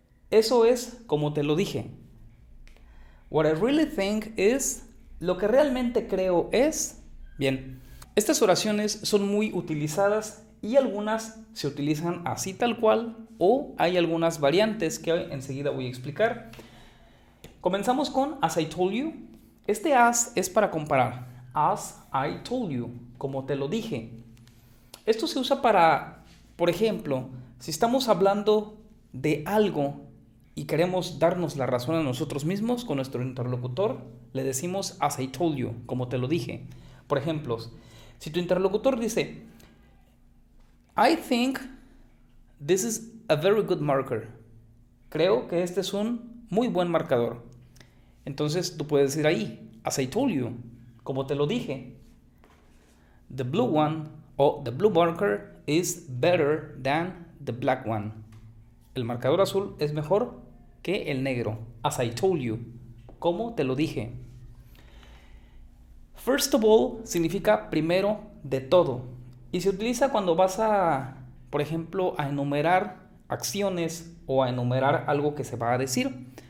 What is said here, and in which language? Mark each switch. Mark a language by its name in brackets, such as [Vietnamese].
[Spanish] Eso es como te lo dije. [English] What I really think is. [Spanish] Lo que realmente creo es. Bien, estas oraciones son muy utilizadas y algunas se utilizan así tal cual o hay algunas variantes que enseguida voy a explicar. Comenzamos con [English] as I told you. [Spanish] Este as es para comparar. [English] As I told you, [Spanish] como te lo dije. Esto se usa para, por ejemplo, si estamos hablando de algo. Y queremos darnos la razón a nosotros mismos con nuestro interlocutor, le decimos [English] as I told you, [Spanish] como te lo dije. Por ejemplo, si tu interlocutor dice, [English] I think this is a very good marker. [Spanish] Creo que este es un muy buen marcador. Entonces tú puedes decir ahí, [English] as I told you, [Spanish] como te lo dije. [English] The blue one o the blue marker is better than the black one. [Spanish] El marcador azul es mejor que el negro, [English] as I told you, [Spanish] como te lo dije. [English] First of all [Spanish] significa primero de todo y se utiliza cuando vas a, por ejemplo, a enumerar acciones o a enumerar algo que se va a decir.